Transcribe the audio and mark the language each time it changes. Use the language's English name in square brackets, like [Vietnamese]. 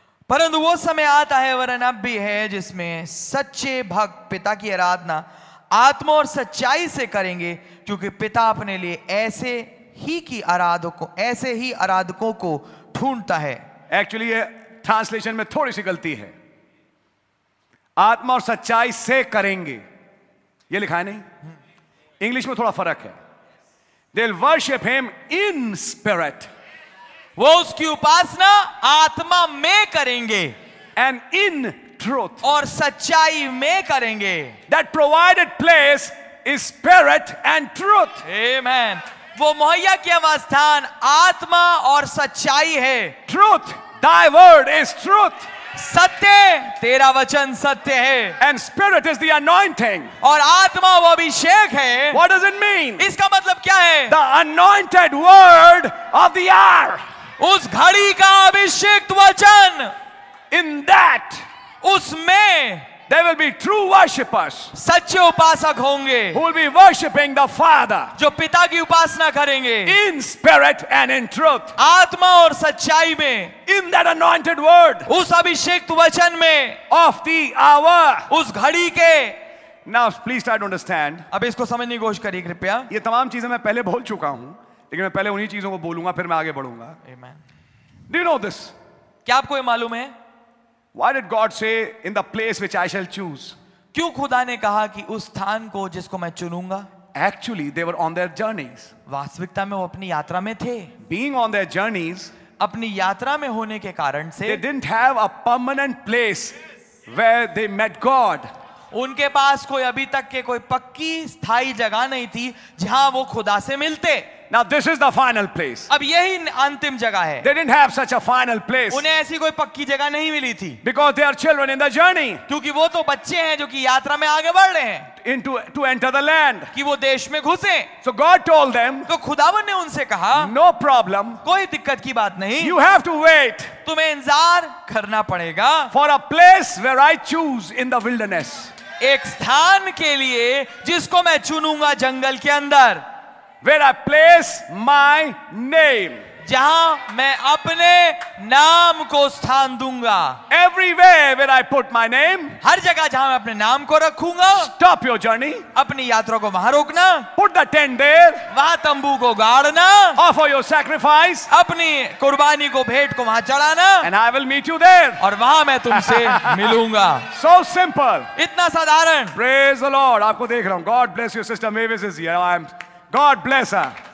[Hindi] परंतु वो समय आता है वरन अब भी है जिसमें सच्चे भक्त पिता की आराधना आत्मा और सच्चाई से करेंगे क्योंकि पिता अपने लिए ऐसे ही आराधकों को ढूंढता है. एक्चुअली ये ट्रांसलेशन में थोड़ी सी गलती है. आत्मा और सच्चाई से करेंगे ये लिखा है नहीं, इंग्लिश में थोड़ा फर्क है. [English] They'll worship him in spirit. [Hindi] वो उसकी उपासना आत्मा में करेंगे. [English] And in truth. [Hindi] और सच्चाई में करेंगे. [English] That provided place is spirit and truth. Amen. [Hindi] वो मुहैया किया हुआ स्थान आत्मा और सच्चाई है. [English] Truth, thy word is truth. [Hindi] सत्य तेरा वचन सत्य है. [English] and spirit is the anointing [Hindi] और आत्मा वो अभिषेक है. [English] what does it mean [Hindi] इसका मतलब क्या है? [English] the anointed word of the hour [Hindi] उस घड़ी का अभिषेक्त वचन. [English] in that [Hindi] उसमें [English] There will be true worshippers. [Hindi] सच्चे उपासक होंगे. [English] Who will be worshipping the Father. [Hindi] जो पिता की उपासना करेंगे. [English] In spirit and in truth. [Hindi] आत्मा और सच्चाई में. [English] In that anointed word. [Hindi] उस अभिषेक्त वचन में. [English] Of the hour. [Hindi] उस घड़ी के. [English] Now please try to understand. [Hindi] अब इसको समझने की कोशिश करिए कृपया. ये तमाम चीजें मैं पहले बोल चुका हूं लेकिन मैं पहले उन्हीं चीजों को बोलूंगा फिर मैं आगे बढ़ूंगा. [English] Amen. Do you know this? [Hindi] क्या आपको ये मालूम है? [English] Why did God say in the place which I shall choose? [Hindi] क्यों खुदा ने कहा कि उस स्थान को जिसको मैं चुनूंगा? [English] Actually, they were on their journeys. [Hindi] वास्तविकता में वो अपनी यात्रा में थे. [English] Being on their journeys, [Hindi] अपनी यात्रा में होने के कारण से, [English] they didn't have a permanent place where they met God. [Hindi] उनके पास कोई अभी तक के कोई पक्की स्थायी जगह नहीं थी जहां वो खुदा से मिलते. [English] Now this is the final place. [Hindi] अब यही अंतिम जगह है. [English] They didn't have such a final place. [Hindi] उन्हें ऐसी कोई पक्की जगह नहीं मिली थी. [English] Because they are children in the journey. [Hindi] क्योंकि वो तो बच्चे हैं जो कि यात्रा में आगे बढ़ रहे हैं. [English] Into to enter the land. [Hindi] कि वो देश में घुसे. [English] So God told them. [Hindi] तो खुदावन ने उनसे कहा. [English] No problem. [Hindi] कोई दिक्कत की बात नहीं. [English] You have to wait. [Hindi] तुम्हें इंतजार करना पड़ेगा. [English] For a place where I choose in the wilderness. [Hindi] एक स्थान के लिए जिसको मैं चुनूंगा जंगल के अंदर. [English] Where I place my name. [Hindi] जहां मैं अपने नाम को स्थान दूंगा. [English] Everywhere where I put my name. [Hindi] हर जगह जहां मैं अपने नाम को रखूंगा. [English] Stop your journey. [Hindi] अपनी यात्रा को वहां रोकना. [English] Put the tent there. [Hindi] वहां तंबू को गाड़ना. [English] Offer your sacrifice. [Hindi] अपनी कुर्बानी को भेंट को वहां चढ़ाना. [English] And I will meet you there. [Hindi] और वहां मैं तुमसे मिलूंगा. [English] So simple. [Hindi] इतना साधारण. [English] Praise the Lord. [Hindi] आपको देख रहा हूं. [English] God bless you, sister Mavis is here. I am. God bless her.